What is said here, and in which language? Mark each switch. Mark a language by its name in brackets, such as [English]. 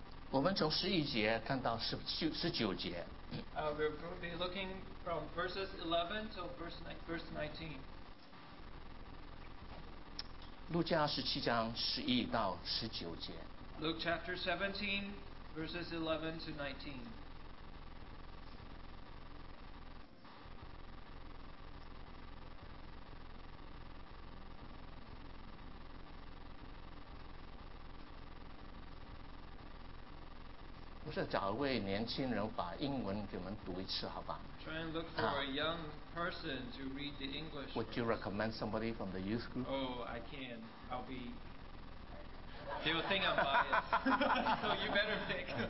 [Chinese] 我们从十一节看到十九节。 [English] We're going to be looking from verses 11 to verse 19. [Chinese] 路加十七章十一到十九节。 [English] Luke chapter 17, verses 11 to 19. [Chinese] 我是找一位年轻人把英文给我们读一次，好吧？ [English] Try and look for a young person to read the English. Would you recommend somebody from the youth group? Oh, I can. I'll be... They will think I'm biased, so you better pick.